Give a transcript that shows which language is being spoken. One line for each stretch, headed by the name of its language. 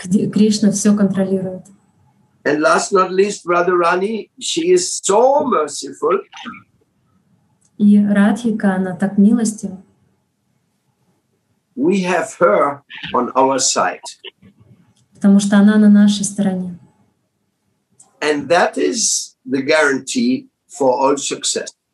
Russian: Кришна все контролирует.
English: And last not least, Brother Rani, she is so merciful.
Russian: И Радхика, она так милостива.
English: We have her on our side.
Russian: Потому что она на нашей стороне.
English: And that is the guarantee for all success.